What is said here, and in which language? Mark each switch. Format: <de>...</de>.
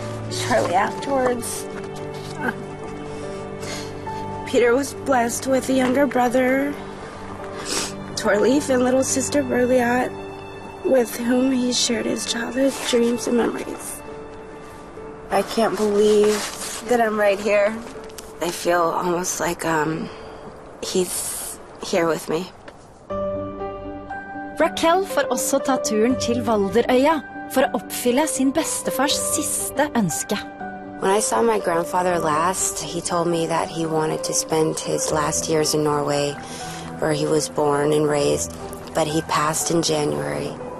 <en>Shortly afterwards, Peter was blessed with a younger brother, Torleif, and little sister, Berliot, with whom he shared his childhood dreams and memories. I can't believe that I'm right here. I feel almost like he's here with me.</en> <no>Raquel får også ta turen til Valderøya for å oppfylle sin bestefars siste ønske.</no> <en>When I saw my grandfather last, he told me that he wanted to spend his last years in Norway, where he was born and raised, but he passed in January.</en>